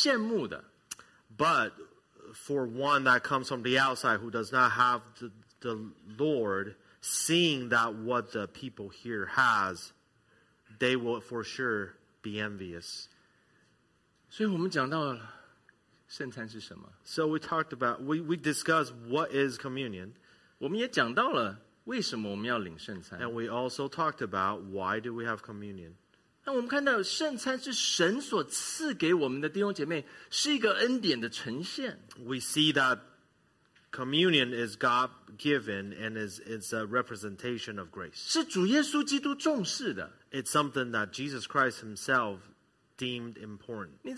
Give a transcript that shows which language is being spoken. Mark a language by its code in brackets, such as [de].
[zh] 但是当我们看见一群有主耶稣基督的救恩的人聚集在一起的时候，这个生命的呈现和感情的呈现是让这世上没有神的人一定是羡慕的。 [en] But for one that comes from the outside who does not have the Lord, seeing that what the people here has, they will for sure be envious. [zh] 所以我们讲到了。 [en] So we talked about, we discussed what is communion. [zh] 我们也讲到了为什么我们要领圣餐。 [en] And we also talked about why do we have communion. [zh] 那我们看到圣餐是神所赐给我们的弟兄姐妹，是一个恩典的呈现。 [en] We see that communion is God-given and it's a representation of grace. [zh] 是主耶稣基督重视的。 [en] It's something that Jesus Christ himself deemed important.